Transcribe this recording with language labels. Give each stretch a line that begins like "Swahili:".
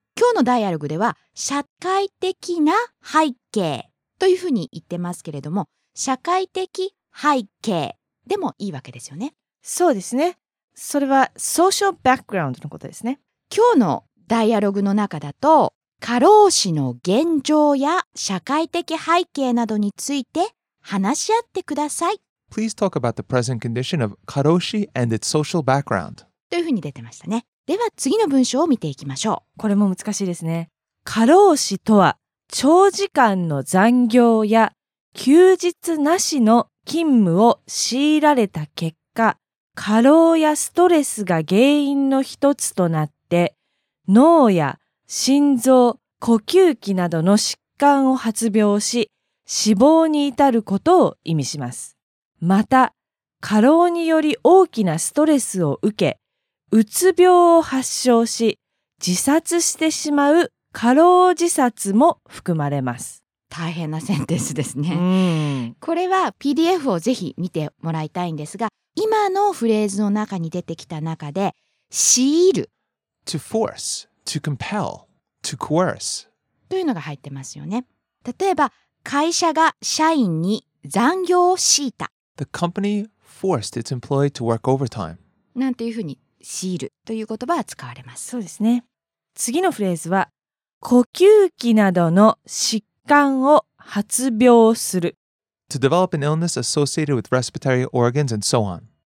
Japanese: 今日のダイアログでは社会的な背景というふうに言ってますけれども、社会的背景でもいいわけですよね。そうですね。それはソーシャルバックグラウンドのことですね。今日のダイアログの中だと過労死の現状や社会的背景などについて話し合ってください。
English: Please talk about the present condition of 過労死 and its social background.
Japanese: というふうに出てましたね。では次の文章を見ていきましょう。これも難しいですね。過労死とは長時間の残業や休日なしの勤務を強いられた結果、過労やストレスが原因の一つとなって、脳や心臓、呼吸器などの疾患を発病し、死亡に至ることを意味します。また、過労により大きなストレスを受け、うつ病を発症し、自殺してしまう過労自殺も含まれます。大変なセンテンスですね。うん、これは PDF をぜひ見てもらいたいんですが、今のフレーズの中に出てきた中で、強いる。
English: To force, to compel, to coerce.
Japanese: というのが入ってますよね。例えば、会社が社員に残業を強いた。
English: The company forced its employee to work overtime.
Japanese: なんていうふうに強いるという言葉は使われます。そうですね。次のフレーズは、呼吸器などの疾患を発病する。
English: To develop an illness associated with respiratory organs and so on.